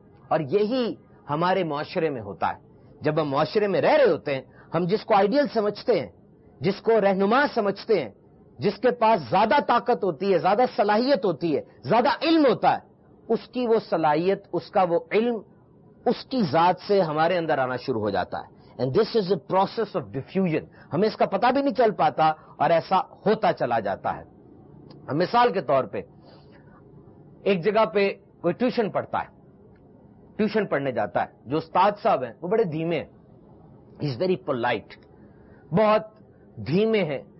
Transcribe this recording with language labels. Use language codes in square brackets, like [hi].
[ur] اور یہی ہمارے معاشرے میں ہوتا ہے. جب ہم معاشرے میں رہ رہے ہوتے ہیں، ہم جس کو آئیڈیل سمجھتے ہیں، جس کو رہنما سمجھتے ہیں، جس کے پاس زیادہ طاقت ہوتی ہے، زیادہ صلاحیت ہوتی ہے، زیادہ علم ہوتا ہے، اس کی وہ صلاحیت، اس کا وہ علم، اس کی ذات سے ہمارے اندر آنا شروع ہو جاتا ہے. [en] And this is a process of diffusion. [ur] ہمیں اس کا پتہ بھی نہیں چل پاتا اور ایسا ہوتا چلا جاتا ہے. مثال کے طور پہ ایک جگہ پہ کوئی ٹیوشن پڑھتا ہے، ٹیوشن پڑھنے جاتا ہے، جو استاد صاحب ہیں وہ بڑے دھیمے ہیں، [en] he is very polite, [ur] بہت دھیمے ہیں.